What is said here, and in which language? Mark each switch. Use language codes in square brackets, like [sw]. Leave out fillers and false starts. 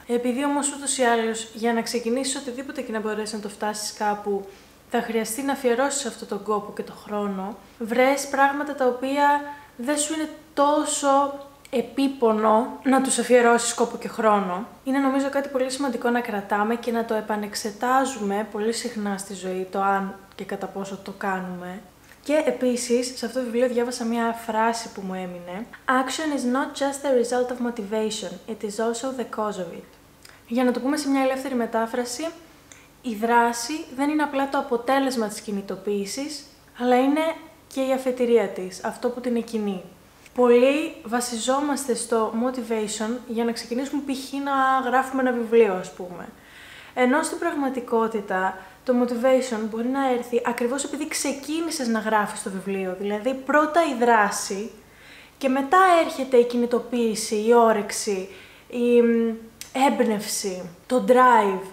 [el] Επειδή όμως ούτως ή άλλως για να ξεκινήσεις οτιδήποτε και να μπορέσεις να το φτάσεις κάπου, θα χρειαστεί να αφιερώσεις αυτόν τον κόπο και τον χρόνο, βρες πράγματα τα οποία δεν σου είναι τόσο επίπονο να τους αφιερώσεις κόπο και χρόνο. Είναι νομίζω κάτι πολύ σημαντικό να κρατάμε και να το επανεξετάζουμε πολύ συχνά στη ζωή, το αν και κατά πόσο το κάνουμε. Και επίσης, σε αυτό το βιβλίο διάβασα μία φράση που μου έμεινε. [en] Action is not just the result of motivation, it is also the cause of it. [el] Για να το πούμε σε μία ελεύθερη μετάφραση, η δράση δεν είναι απλά το αποτέλεσμα της κινητοποίησης, αλλά είναι και η αφετηρία της, αυτό που την εκκινεί. Πολλοί βασιζόμαστε στο motivation για να ξεκινήσουμε π.χ. να γράφουμε ένα βιβλίο, ας πούμε. Ενώ στην πραγματικότητα, το motivation μπορεί να έρθει ακριβώς επειδή ξεκίνησες να γράφεις το βιβλίο, δηλαδή πρώτα η δράση και μετά έρχεται η κινητοποίηση, η όρεξη, η έμπνευση, το drive.